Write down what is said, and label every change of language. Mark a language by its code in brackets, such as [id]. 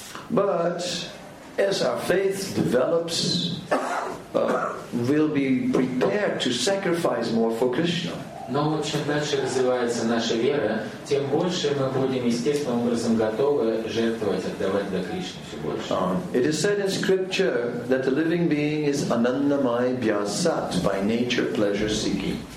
[en] But as our faith develops, we'll be prepared to sacrifice more for Krishna. [ru] Но чем дальше развивается наша вера, тем больше мы будем естественным образом готовы жертвовать, отдавать для Кришны все больше. [en] It is said in scripture that the living being is anandamay byasat, by nature pleasure seeking.